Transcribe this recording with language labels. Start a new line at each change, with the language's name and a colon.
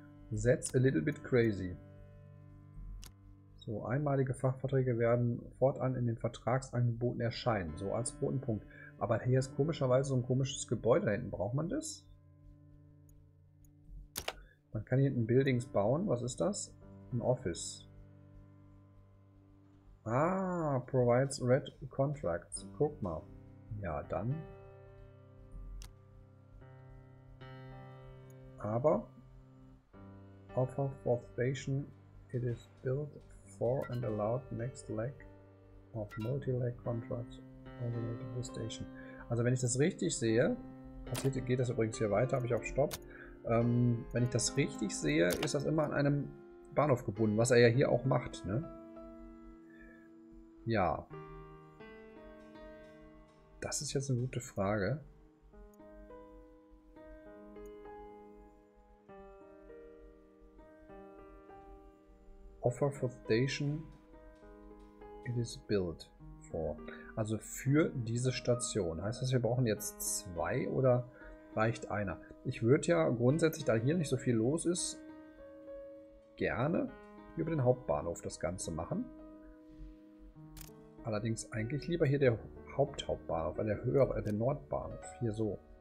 English: That's a little bit crazy.
German: So, einmalige Fachverträge werden fortan in den Vertragsangeboten erscheinen. So als roten Punkt. Aber hier ist komischerweise so ein komisches Gebäude da hinten. Braucht man das? Man kann hier hinten Buildings bauen. Was ist das? Ein Office. Ah,
English: provides red contracts.
German: Guck mal. Ja, dann. aber
English: offer for station it is built for and allowed next leg of multi-leg contracts over the station.
German: Also wenn ich das richtig sehe, passiert, geht das übrigens hier weiter, habe ich auf Stopp. Wenn ich das richtig sehe, ist das immer an einem Bahnhof gebunden, was er ja hier auch macht, ne? Ja. Das ist jetzt eine gute Frage.
English: Offer for station it is built for.
German: Also für diese Station. Heißt das, wir brauchen jetzt zwei oder reicht einer? Ich würde ja grundsätzlich, da hier nicht so viel los ist, gerne über den Hauptbahnhof das Ganze machen. Allerdings eigentlich lieber hier der Haupthauptbahnhof, der höhere, der Nordbahnhof. Hier so.